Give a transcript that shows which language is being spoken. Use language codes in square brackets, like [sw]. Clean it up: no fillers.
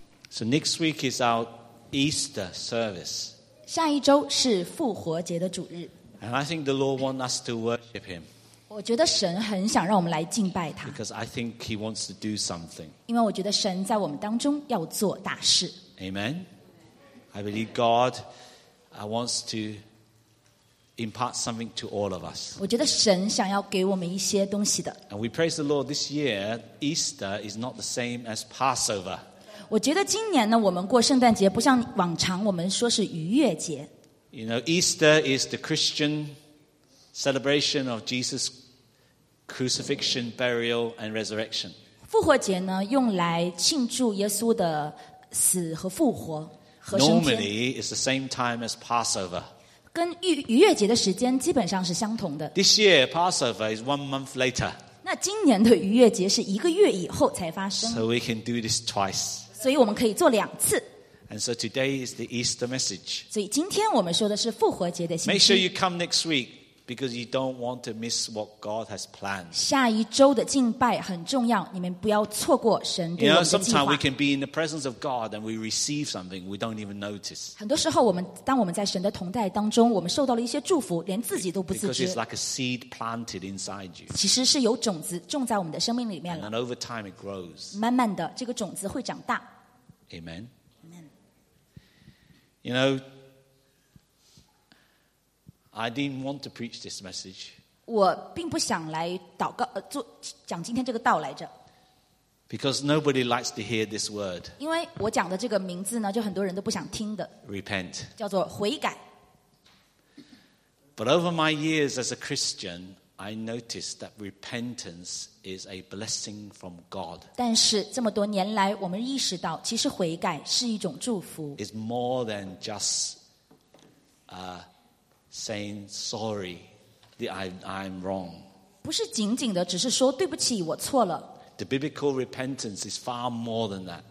[en] So next week is our Easter service. [zh] 下一周是复活节的主日。 [en] And I think the Lord wants us to worship Him. [zh] 我觉得神很想让我们来敬拜他。 [en] Because I think He wants to do something. [zh] 因为我觉得神在我们当中要做大事。 [en] Amen. I believe God wants to impart something to all of us. [zh] 我觉得神想要给我们一些东西的。 [en] And we praise the Lord this year, Easter is not the same as Passover. [zh] 我觉得今年呢，我们过圣诞节不像往常，我们说是逾越节。 [en] You know, Easter is the Christian celebration of Jesus' crucifixion, burial, and resurrection. [zh] 复活节呢，用来庆祝耶稣的死和复活和升天。 [en] Normally, it's the same time as Passover. [zh] 跟逾越节的时间基本上是相同的。 [en] This year, Passover is 1 month later. [zh] 那今年的逾越节是一个月以后才发生。 [en] So we can do this twice. [zh] 所以我们可以做两次。 [en] And so today is the Easter message. [zh] 所以今天我们说的是复活节的信息。 [en] Make sure you come next week because you don't want to miss what God has planned. [zh] 下一周的敬拜很重要，你们不要错过神对我们的计划。 [en] You know, sometimes we can be in the presence of God and we receive something we don't even notice. [zh] 很多时候，当我们在神的同在当中，我们受到了一些祝福，连自己都不自知。 [en] Because it's like a seed planted inside you. [zh] 其实是有种子种在我们的生命里面了。 [en] And over time it grows. [zh] 慢慢的，这个种子会长大。 [en] Amen. You know, I didn't want to preach this message. [zh] 我并不想来祷告，做讲今天这个道来着。 [en] Because nobody likes to hear this word. [zh] 因为我讲的这个名字呢，就很多人都不想听的。 [en] Repent. [zh] 叫做悔改。 [en] But over my years as a Christian, I noticed that repentance is a blessing from God. [zh] 但是这么多年来，我们意识到，其实悔改是一种祝福。 [en] It's more than just saying sorry that I'm wrong. [zh] 不是仅仅的，只是说对不起，我错了。 [en] The biblical repentance is far more than that.